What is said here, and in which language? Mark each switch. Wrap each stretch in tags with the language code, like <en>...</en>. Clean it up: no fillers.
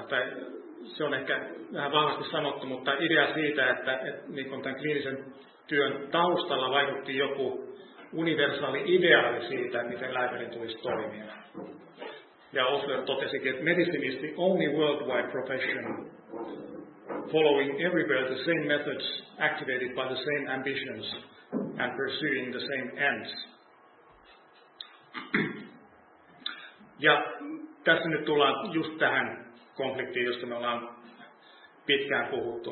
<fi>Tai se on ehkä vähän vahvasti sanottu, mutta idea siitä, että niin kuin tämän kliinisen työn taustalla vaikutti joku universaali ideaali siitä, miten lääkärin tulisi toimia. Ja Osler totesikin, että</fi> <en>medicine is the only worldwide profession following everywhere the same methods activated by the same ambitions and pursuing the same ends.</en> <fi>Ja tässä nyt tullaan just tähän konfliktiin, josta me ollaan pitkään puhuttu.</fi>